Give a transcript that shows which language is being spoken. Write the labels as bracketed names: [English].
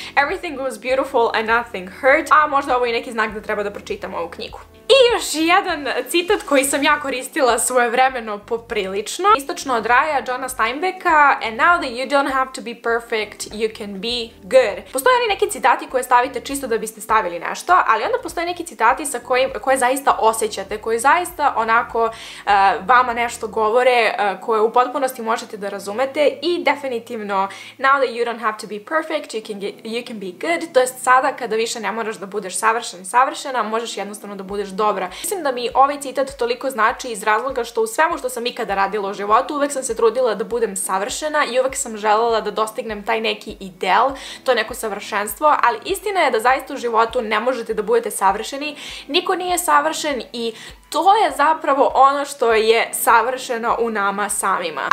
[English] Everything was beautiful and nothing hurt. [Serbian] A možda ovo je neki znak da treba da pročitam ovu knjigu. I još jedan citat koji sam ja koristila svojevremeno poprilično. Istočno od raja Johna Steinbecka. [English] And now that you don't have to be perfect, you can be good. [Serbian] Postoje oni neki citati koje stavite čisto da biste stavili nešto, ali onda postoje neki citati koje zaista osjećate, koje zaista onako vama nešto govore, koje u potpunosti možete da razumete. I definitivno, [English] now that you don't have to be perfect, you can be good. [Serbian] To jest sada kada više ne moraš da budeš savršen i savršena, možeš jednostavno da budeš dobra. Mislim da mi ovaj citat toliko znači iz razloga što u svemu što sam ikada radila u životu, uvek sam se trudila da budem savršena i uvek sam želela da dostignem taj neki ideal, to neko savršenstvo, ali istina je da zaista u životu ne možete da budete savršeni, niko nije savršen i to je zapravo ono što je savršeno u nama samima.